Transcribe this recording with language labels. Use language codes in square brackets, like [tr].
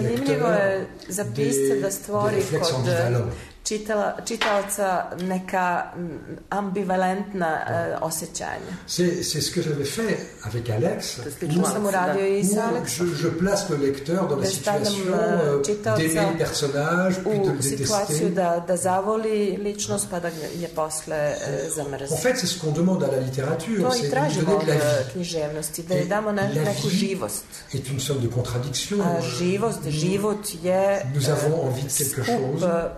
[fr] lecteur des réflexes ambivalentes. [sr] Čitaoca neka ambivalentna osjećanja. [fr] C'est ce que j'avais fait avec Alex. Je place le lecteur dans la situation d'aimer le personnage, puis de le détester. [sr] Da zavoli ličnost, pa da je posle zamrzne. [fr] En fait, c'est ce qu'on demande à la littérature, c'est de donner de la vie. [sr] Književnosti, da damo neku živost. [fr] Est une sorte de contradiction. [sr] Živost, život je... [fr] Nous avons envie de quelque chose.